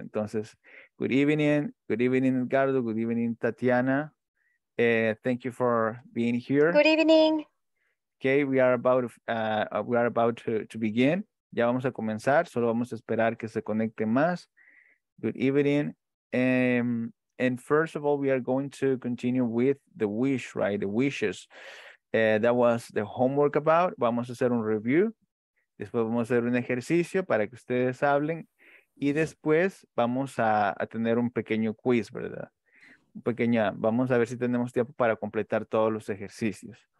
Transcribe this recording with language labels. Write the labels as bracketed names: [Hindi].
[English] Entonces, good evening, Edgardo, good evening, Tatiana. Thank you for being here. Good evening. Okay, we are about to begin. [Spanish] Ya vamos a comenzar, solo vamos a esperar que se conecte más. [English] Good evening. And first of all, we are going to continue with the wish, right? The wishes. That was the homework about. [Spanish] Vamos a hacer un review. Después vamos a hacer un ejercicio para que ustedes hablen. Y después vamos a tener un pequeño quiz, ¿verdad? Vamos a ver si tenemos tiempo para completar todos los ejercicios.